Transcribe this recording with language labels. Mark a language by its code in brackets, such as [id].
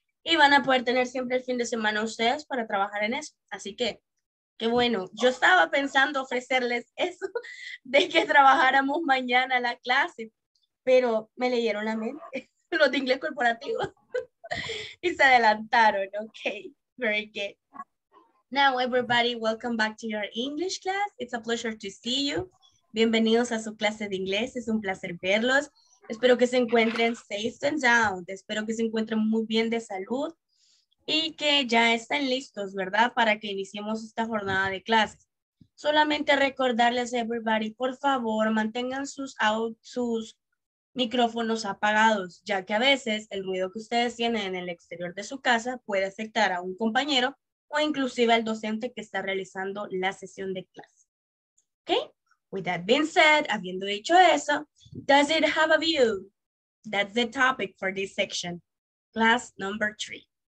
[es] Y van a poder tener siempre el fin de semana ustedes para trabajar en eso. Así que, qué bueno. Yo estaba pensando ofrecerles eso de que trabajáramos mañana la clase, pero me leyeron la mente los de inglés corporativo y se adelantaron. [en] Ok, very good. Now, everybody, welcome back to your English class. It's a pleasure to see you. [es] Bienvenidos a su clase de inglés. Es un placer verlos. Espero que se encuentren [en] safe and sound. [es] Espero que se encuentren muy bien de salud y que ya estén listos, ¿verdad? Para que iniciemos esta jornada de clases. Solamente recordarles, everybody, por favor, mantengan sus micrófonos apagados, ya que a veces el ruido que ustedes tienen en el exterior de su casa puede afectar a un compañero o inclusive al docente que está realizando la sesión de clase. ¿Ok? [en] With that being said, [es] habiendo dicho eso, [en] does it have a view? That's the topic for this section, class number 3.